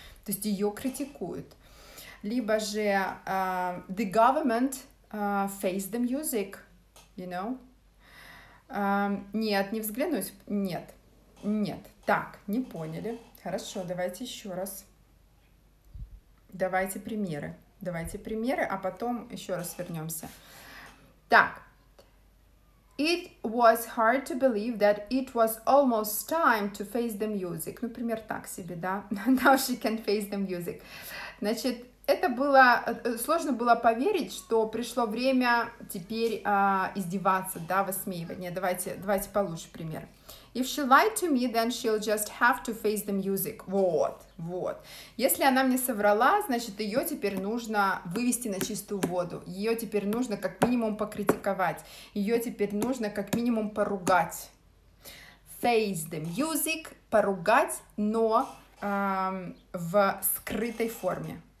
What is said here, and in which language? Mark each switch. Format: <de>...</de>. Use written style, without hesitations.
<ru>То есть ее критикуют. Либо же</ru> <en>the government face the music, you know?</en> <ru>Нет, не взглянусь. Нет, нет. Так, не поняли. Хорошо, давайте еще раз. Давайте примеры. Давайте примеры, а потом еще раз вернемся.</ru> <en>Так, it was hard to believe that it was almost time to face the music.</en> <ru>Ну, пример так себе, да?</ru> <en>Now she can face the music.</en> <ru>Значит, это было, сложно было поверить, что пришло время теперь издеваться, да, высмеивание. Давайте, давайте получше пример.</ru> <en>If she lied to me, then she'll just have to face the music.</en> <ru>Вот, вот. Если она мне соврала, значит, ее теперь нужно вывести на чистую воду. Ее теперь нужно как минимум покритиковать. Ее теперь нужно как минимум поругать. Face the music, поругать, но в скрытой форме.</ru>